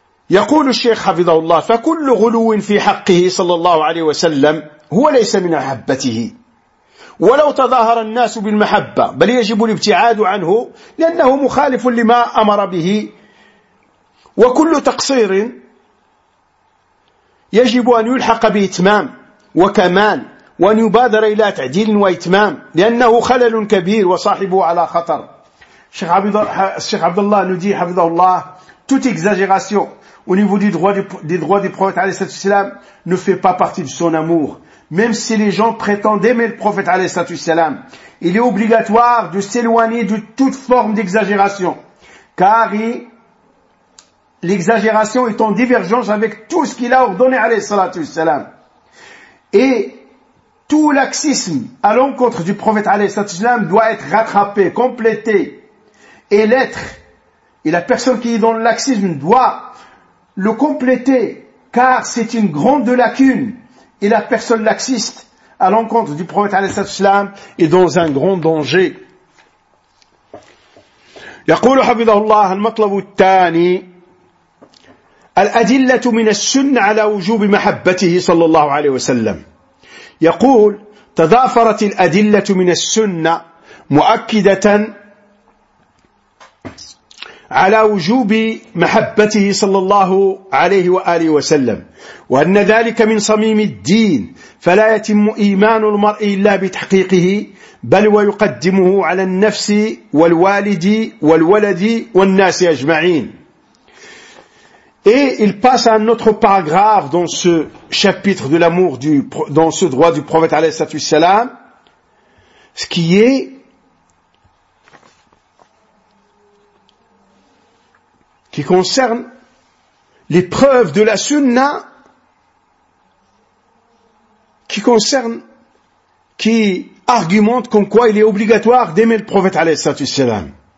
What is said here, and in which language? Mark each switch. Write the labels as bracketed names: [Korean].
[Arabic] يقول الشيخ حفظه الله فكل غلو في حقه صلى الله عليه وسلم هو ليس من أحبته ولو تظاهر الناس بالمحبة بل يجب الابتعاد عنه لأنه مخالف لما أمر به وكل تقصير يجب أن يلحق بإتمام وكمال وأن يبادر إلى تعديل وإتمام لأنه خلل كبير وصاحبه على خطر. الشيخ عبد الله ندي حفظه الله [French] toute exagération au niveau du droit des droits du prophète alayhi salatu wasalam ne fait pas partie de son amour. Même si les gens prétendent aimer le prophète alayhi salatu wasalam, il est obligatoire de s'éloigner de toute forme d'exagération. Car l'exagération est en divergence avec tout ce qu'il a ordonné alayhi salatu wasalam. Et tout laxisme à l'encontre du prophète alayhi salatu wasalam doit être rattrapé, complété. Et l'être, et la personne qui est dans le laxisme doit le compléter, car c'est une grande lacune. Et la personne laxiste à l'encontre du prophète alayhi salatu wasalam est dans un grand danger. [Arabic] يقول حفظه الله المطلب الثاني الأدلة من السنة على وجوب محبته صلى الله عليه وسلم. يقول تضافرت الأدلة من السنة مؤكدة على وجوب محبته صلى الله عليه وآله وسلم وأن ذلك من صميم الدين فلا يتم إيمان المرء إلا بتحقيقه بل ويقدمه على النفس والوالد والولد والناس أجمعين. [French] Et il passe à un autre paragraphe dans ce chapitre de l'amour dans ce droit du prophète alayhi salatu wasalam, ce qui est qui concerne les preuves de la sunna, qui concerne, qui argumente comme quoi il est obligatoire d'aimer le prophète alayhi salatu wasalam.